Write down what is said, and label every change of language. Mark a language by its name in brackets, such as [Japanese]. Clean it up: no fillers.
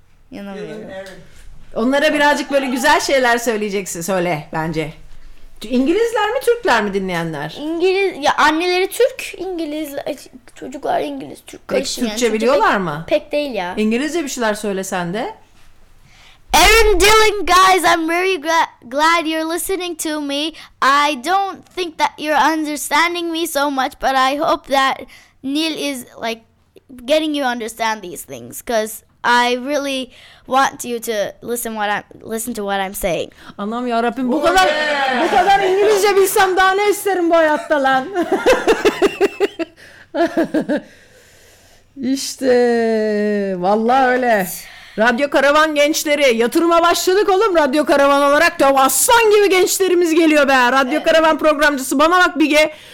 [Turkish] Yanamıyorum. Onlara birazcık böyle güzel şeyler söyleyeceksin. Söyle bence. İngilizler mi Türkler mi dinleyenler? İngiliz ya anneleri Türk, İngiliz çocuklar İngiliz Türk karışım. Peki, Türkçe yani. Biliyorlar pek, mı? Pek değil ya. İngilizce bir şeyler söylesen de. [English] Aaron Dillon guys, I'm very glad you're listening to me. I don't think that you're understanding me so much, but I hope that Neil is like getting you understand these things, because I really want you to listen to what I'm saying. [Turkish] Anam ya Rabbim bu kadar bu kadar İngilizce bilsem daha ne isterim bu hayatta lan. İşte vallahi öyle. Radyo Karavan gençleri yatırıma başladık oğlum Radyo Karavan olarak. Aslan gibi gençlerimiz geliyor be. Radyo Karavan programcısı bana bak Bige.